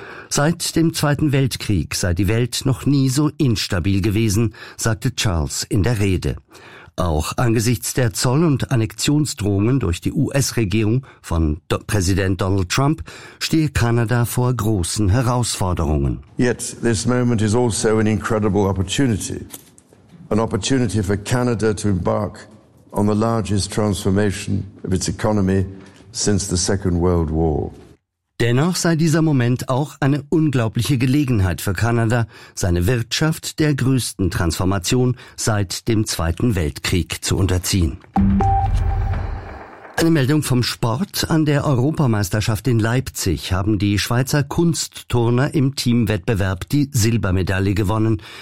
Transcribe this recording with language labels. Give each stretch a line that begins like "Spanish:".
German: Seit dem Zweiten Weltkrieg sei die Welt noch nie so instabil gewesen, sagte Charles in der Rede. Auch angesichts der Zoll- und Annexionsdrohungen durch die US-Regierung von Präsident Donald Trump stehe Kanada vor großen Herausforderungen.
English: Yet this moment is also an incredible opportunity. An opportunity for Canada to embark on the largest transformation of its economy since the Second World War.
German: Dennoch sei dieser Moment auch eine unglaubliche Gelegenheit für Kanada, seine Wirtschaft der größten Transformation seit dem Zweiten Weltkrieg zu unterziehen. Eine Meldung vom Sport: An der Europameisterschaft in Leipzig haben die Schweizer Kunstturner im Teamwettbewerb die Silbermedaille gewonnen.